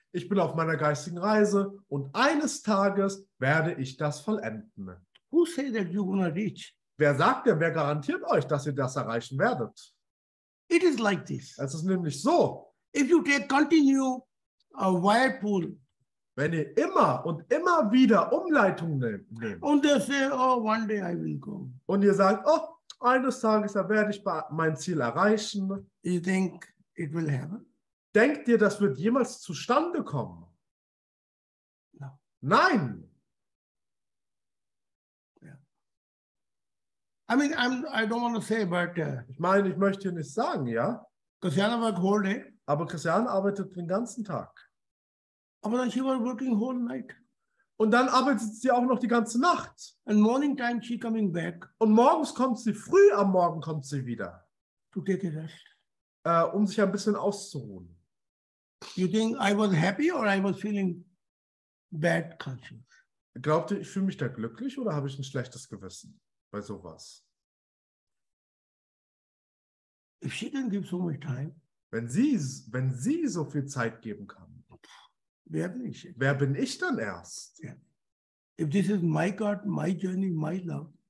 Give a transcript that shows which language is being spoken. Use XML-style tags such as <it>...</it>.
<de>Ich bin auf meiner geistigen Reise und eines Tages werde ich das vollenden.</de> <en>Who say that you're gonna reach?</en> <de>Wer sagt denn, wer garantiert euch, dass ihr das erreichen werdet?</de> <en>It is like this.</en> <de>Es ist nämlich so.</de> <en>If you take continue a whirlpool,</en> <de>wenn ihr immer und immer wieder Umleitung nehmt.</de> <en>And they say, oh, one day I will go.</en> <de>Und ihr sagt, oh, eines Tages da werde ich mein Ziel erreichen.</de> <en>You think it will happen?</en> <de>Denkt ihr, das wird jemals zustande kommen?</de> <en>No.</en> <de>Nein.</de> <en>Yeah. I mean, I don't want to say, but.</en> <de>Ich möchte hier nicht sagen, ja.</de> <en>Christiane</en> <de>war</de> <en>whole day.</en> <de>Aber Christiane arbeitet den ganzen Tag. Aber dann</de> <en>she was working whole night.</en> <de>Und dann arbeitet sie auch noch die ganze Nacht.</de> <en>And morning time she coming back.</en> <de>Und morgens kommt sie früh, am Morgen kommt sie wieder.</de> <en>To take a rest.</en> <de>Um sich ein bisschen auszuruhen.</de> <en>You think I was happy or I was feeling bad conscience?</en> <de>Glaubt ihr, ich fühle mich da glücklich oder habe ich ein schlechtes Gewissen bei sowas?</de> <en>If she can give so much time.</en> <de>Wenn sie so viel Zeit geben kann. Wer bin ich dann erst?</de> <en>Yeah. If this is my God, my journey, my love.</en>